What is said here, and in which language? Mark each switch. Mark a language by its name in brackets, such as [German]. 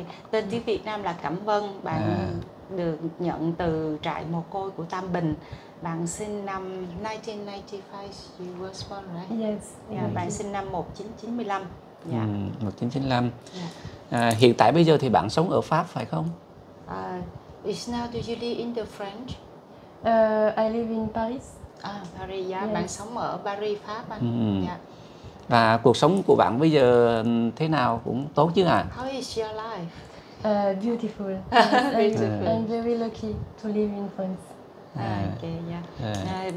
[Vietnamese] Tên tiếng Việt Nam là Cẩm Vân. Bạn được nhận từ trại mồ côi của Tam Bình. Bạn sinh năm 1995, [English] you were born, right? [Vietnamese] Bạn sinh năm 1995. 1995. Hiện tại bây giờ thì bạn sống ở Pháp phải không? [English] Is now do you live in the French? I live in Paris. [Vietnamese] Paris, bạn sống ở Paris, Pháp anh. Và cuộc sống của bạn bây giờ thế nào, cũng tốt chứ ạ? [English] How is your life? Beautiful. Beautiful. I'm very lucky to live in France.